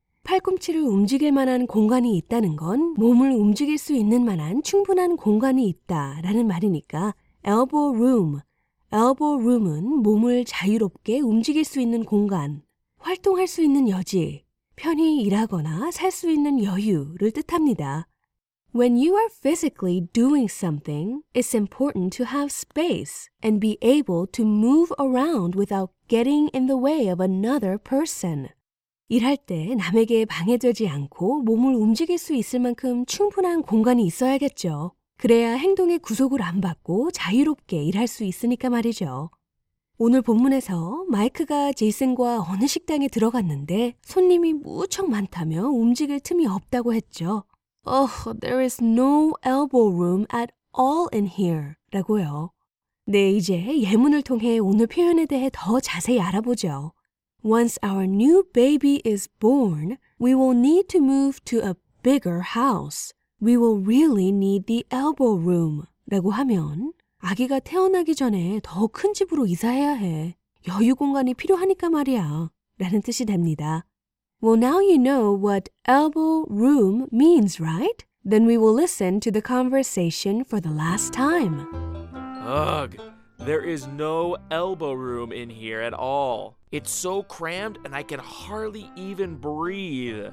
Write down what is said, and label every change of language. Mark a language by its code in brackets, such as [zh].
[ko] 팔꿈치를 움직일 만한 공간이 있다는 건 몸을 움직일 수 있는 만한 충분한 공간이 있다라는 말이니까 elbow room, elbow room은 몸을 자유롭게 움직일 수 있는 공간, 활동할 수 있는 여지, 편히 일하거나 살 수 있는 여유를 뜻합니다. [en] When you are physically doing something, it's important to have space and be able to move around without getting in the way of another person. [ko] 일할 때 남에게 방해되지 않고 몸을 움직일 수 있을 만큼 충분한 공간이 있어야겠죠. 그래야 행동에 구속을 안 받고 자유롭게 일할 수 있으니까 말이죠. 오늘 본문에서 마이크가 제이슨과 어느 식당에 들어갔는데 손님이 무척 많다며 움직일 틈이 없다고 했죠. [en] Oh, there is no elbow room at all in here. [ko] 라고요. 네, 이제 예문을 통해 오늘 표현에 대해 더 자세히 알아보죠. [en] Once our new baby is born, we will need to move to a bigger house. We will really need the elbow room. [ko] 라고 하면 아기가 태어나기 전에 더 큰 집으로 이사해야 해. 여유 공간이 필요하니까 말이야. 라는 뜻이 됩니다. [en] Well, now you know what elbow room means, right? Then we will listen to the conversation for the last time. Ugh, there is no elbow room in here at all. It's so crammed and I can hardly even breathe.